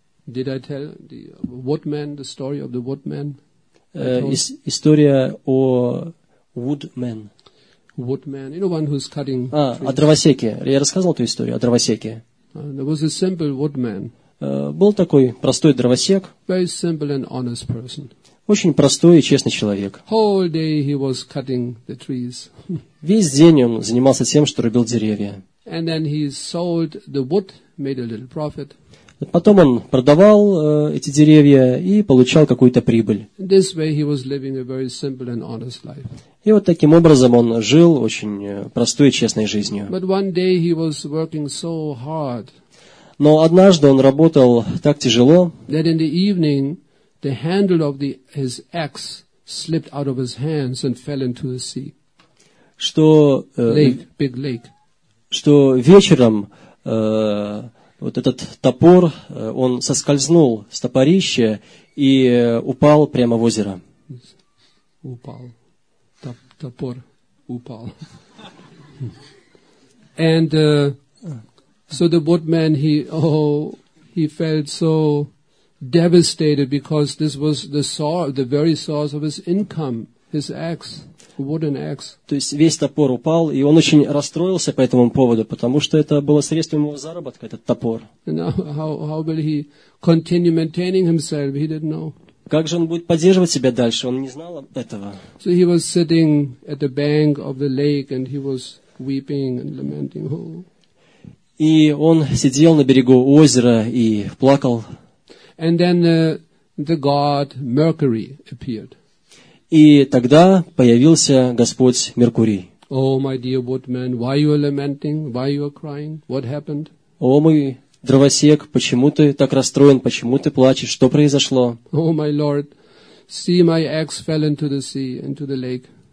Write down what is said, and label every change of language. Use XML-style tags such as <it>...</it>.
<en>Did I tell the woodman, the story of the woodman?</en> <ru>История о woodman.</ru> <en>Woodman, you know, one who's cutting trees.</en> <ru>А, о дровосеке. Я рассказывал эту историю о дровосеке.</ru> <en>There was a simple woodman.</en> <ru>Был такой простой дровосек.</ru> <en>Very simple and honest person.</en> <ru>Очень простой и честный человек.</ru> <en>Whole day he was cutting the trees.</en> <ru>Весь день он занимался тем, что рубил деревья.</ru> <en>And then he sold the wood, made a little profit.</en> <ru>Потом он продавал эти деревья и получал какую-то прибыль.</ru> <en>This way he was living a very simple and honest life.</en> <ru>И вот таким образом он жил очень простой и честной жизнью.</ru> <en>But one day he was working so hard.</en> <ru>Но однажды он работал так тяжело,</ru> <en>that in the evening the handle of his axe slipped out of his hands and fell into the sea.</en> <ru>Что,</ru> <en>lake, big lake.</en> <ru>Что вечером вот этот топор, он соскользнул с топорища и упал прямо в озеро. Упал. Топор упал.</ru> <en>And so the woodman, he felt so devastated because this was the very source of his income, his axe. Wooden axe.</en> <ru>То есть весь топор упал, и он очень расстроился по этому поводу, потому что это было средством его заработка, этот топор.</ru> <en>How will he continue maintaining himself? He didn't know.</en> <ru>Как же он будет поддерживать себя дальше? Он не знал этого.</ru> <en>So he was sitting at the bank of the lake, and he was weeping and lamenting. Oh.</en> <ru>И он сидел на берегу озера и плакал.</ru> <en>And then the god Mercury appeared.</en> <ru>И тогда появился Господь Меркурий.</ru> <en>Oh, my dear woodman, why you are lamenting? Why you are crying? What happened?</en> <ru>О, мой дровосек, почему ты так расстроен? Почему ты плачешь? Что произошло?</ru> <en>Oh, my lord, see, my axe fell into the sea, into the lake.</en>